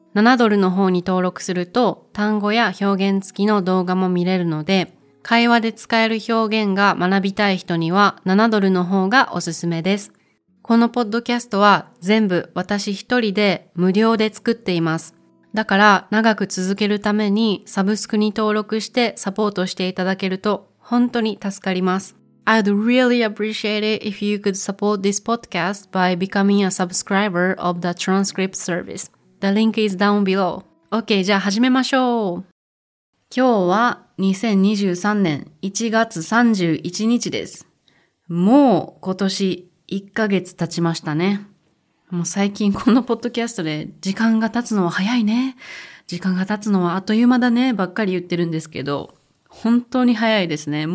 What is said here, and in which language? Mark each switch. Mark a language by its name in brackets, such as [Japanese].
[Japanese] 7ドルの方に登録すると単語や表現付きの動画も見れるので、会話で使える表現が学びたい人には7ドルの方がおすすめです。このポッドキャストは全部私一人で無料で作っています。だから長く続けるためにサブスクに登録してサポートしていただけると本当に助かります。 [English] I'd really appreciate it if you could support this podcast by becoming a subscriber of the transcript service. The link is down below. OK, [Japanese] じゃあ始めましょう。今日は2023年1月31日です。もう今年1ヶ月経ちましたね。もう最近このポッドキャストで時間が経つのは早いね、時間が経つのはあっという間だねばっかり言ってるんですけど、本当に早いですね。